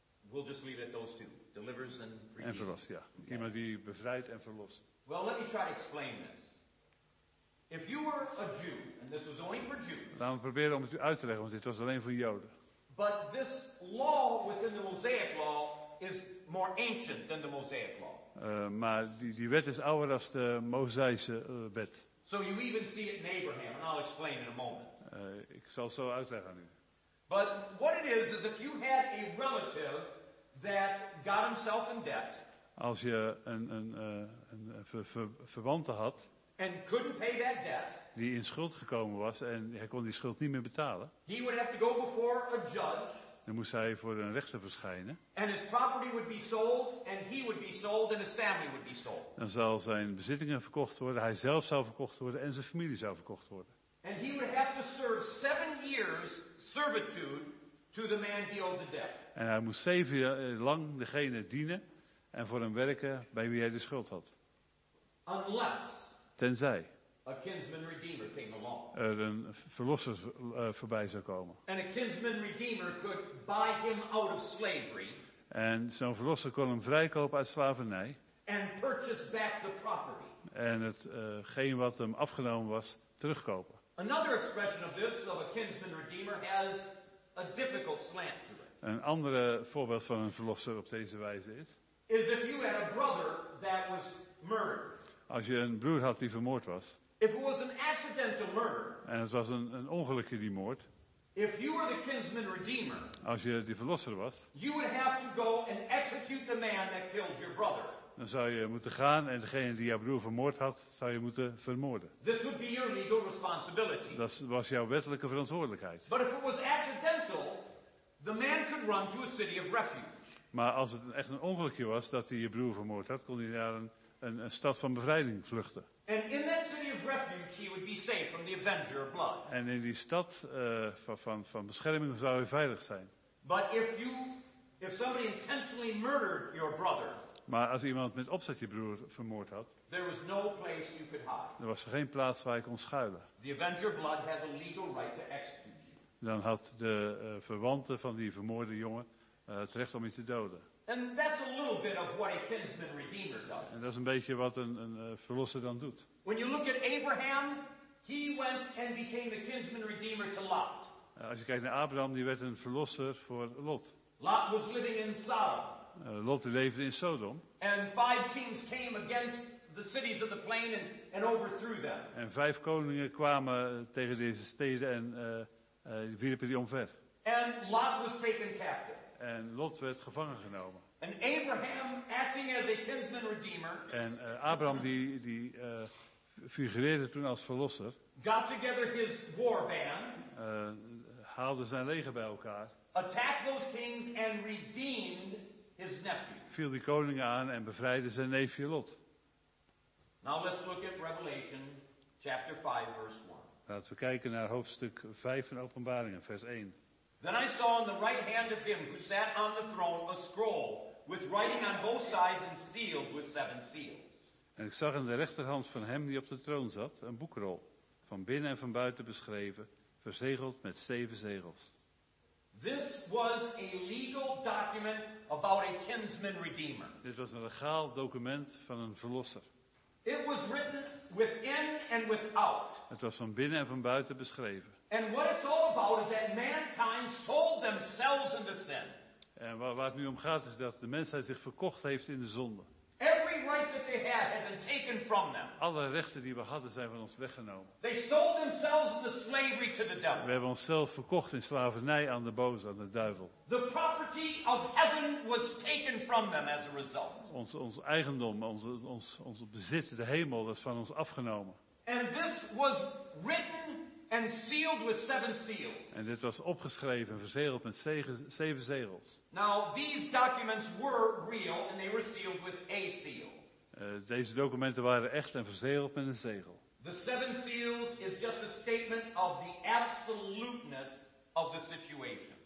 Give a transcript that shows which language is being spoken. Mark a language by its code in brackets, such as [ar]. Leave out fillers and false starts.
[en] We'll just leave it at those two. Delivers and redeems. [nl] En verlost, ja. Okay. Iemand die bevrijdt en verlost. [en] Well, let me try to explain this. If you were a Jew, and this was only for Jews. [nl] Laten we proberen om het u uit te leggen, want dit was alleen voor Joden. [en] But this law within the Mosaic law is more ancient than the Mosaic law. [nl] Maar die wet is ouder dan de Mosaïsche wet. [en] So you even see it in Abraham, and I'll explain in a moment. [nl] Ik zal zo uitleggen aan u. [en] But what it is if you had a relative that got himself in debt. [nl] Als je een verwante had. [en] And couldn't pay that debt. [nl] Die in schuld gekomen was en hij kon die schuld niet meer betalen. [en] He would have to go before a judge. [nl] Dan moest hij voor een rechter verschijnen. [en] And his property would be sold, and he would be sold, and his family would be sold. [nl] Dan zou zijn bezittingen verkocht worden, hij zelf zou verkocht worden en zijn familie zou verkocht worden. [en] And he would have to serve 7 years servitude to the man he owed the debt. [nl] En hij moest 7 jaar lang degene dienen en voor hem werken bij wie hij de schuld had. [en] Unless. [nl] Tenzij. [en] A kinsman redeemer came along. [nl] Er een verlosser voorbij zou komen. [en] And a kinsman redeemer could buy him out of slavery. [nl] En zo'n verlosser kon hem vrijkopen uit slavernij. [en] And purchase back the property. [nl] En hetgeen wat hem afgenomen was, terugkopen. [en] Another expression of this, of a kinsman redeemer, has a difficult slant to it. [nl] Een andere voorbeeld van een verlosser op deze wijze is. [en] Is if you had a brother that was murdered. [nl] Als je een broer had die vermoord was. [en] If it was an accidental murder, [nl] en het was een ongelukje die moord. [en] If you were the kinsman redeemer, [nl] als je die verlosser was. [en] You would have to go and execute the man that killed your brother. [nl] Dan zou je moeten gaan en degene die jouw broer vermoord had, zou je moeten vermoorden. [en] This would be your legal responsibility. [nl] Dat was jouw wettelijke verantwoordelijkheid. [en] But if it was accidental, the man could run to a city of refuge. [nl] Maar als het echt een ongelukje was dat hij je broer vermoord had, kon hij naar een stad van bevrijding vluchten. [en] And in that city of refuge he would be safe from the avenger of blood. [nl] En in die stad van bescherming zou hij veilig zijn. [en] But if somebody intentionally murdered your brother. [nl] Maar als iemand met opzet je broer vermoord had. [en] There was no place you could hide. [nl] Er was geen plaats waar je kon schuilen. [en] The avenger of blood had a legal right to execute you. [nl] Dan had de verwanten van die vermoorde jongen het recht om je te doden. [en] And that's a little bit of what a kinsman redeemer does. [nl] En dat is een beetje wat een verlosser dan doet. [en] When you look at Abraham, he went and became a kinsman redeemer to Lot. [nl] Als je kijkt naar Abraham, die werd een verlosser voor Lot. [en] Lot was living in Sodom. [nl] Lot leefde in Sodom. [en] And 5 kings came against the cities of the plain and overthrew them. [nl] En 5 koningen kwamen tegen deze steden en wierpen die omver. [en] And Lot was taken captive. [nl] En Lot werd gevangen genomen. [en] En Abraham, acting as a kinsman redeemer. [nl] En Abraham die figureerde toen als verlosser. [en] Got together his war band. [nl] Haalde zijn leger bij elkaar. [en] Attacked those kings and redeemed his nephew. [nl] Viel die koning aan en bevrijdde zijn neefje Lot. [en] Now let's look at Revelation chapter 5 verse 1. [nl] Laten we kijken naar hoofdstuk 5 van Openbaringen, vers 1. [en] Then I saw in the right hand of him who sat on the throne a scroll with writing on both sides and sealed with 7 seals. [nl] En ik zag in de rechterhand van hem die op de troon zat een boekrol, van binnen en van buiten beschreven, verzegeld met 7 zegels. [en] This was a legal document about a kinsman redeemer. [nl] Dit was een legaal document van een verlosser. [en] It was written within and without. [nl] Het was van binnen en van buiten beschreven. [en] And what it's all about is that mankind sold themselves into sin. [nl] En waar het nu om gaat is dat de mensheid zich verkocht heeft in de zonde. [en] Every right that they had been taken from them. [nl] Alle rechten die we hadden zijn van ons weggenomen. [en] They sold themselves into slavery to the devil. [nl] We hebben onszelf verkocht in slavernij aan de boze, aan de duivel. [en] The property of heaven was taken from them as a result. [nl] Ons eigendom, ons bezit, de hemel, dat is van ons afgenomen. [en] And this was written and sealed with 7 seals. [nl] En dit was opgeschreven, verzegeld met 7 zegels. [en] Now these documents were real and they were sealed with a seal. [nl] Deze documenten waren echt en verzegeld met een zegel. [en] The 7 seals is just a statement of the absoluteness of the situation.